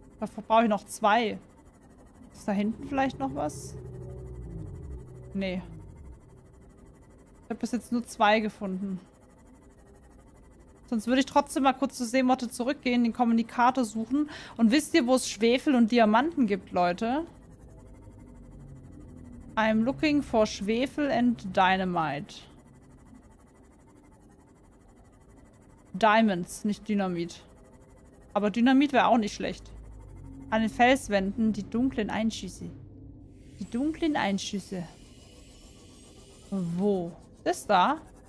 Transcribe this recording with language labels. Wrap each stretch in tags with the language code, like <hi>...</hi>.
<de>Davon brauche ich noch zwei. Ist da hinten vielleicht noch was? Nee. Ich habe bis jetzt nur zwei gefunden. Sonst würde ich trotzdem mal kurz zur Seemotte zurückgehen, den Kommunikator suchen. Und wisst ihr, wo es Schwefel und Diamanten gibt, Leute?</de> <en>I'm looking for Schwefel and Dynamite.</en> <de>Diamonds, nicht Dynamit. Aber Dynamit wäre auch nicht schlecht. An den Felswänden die dunklen Einschüsse. Die dunklen Einschüsse. Wo? Ist da?</de>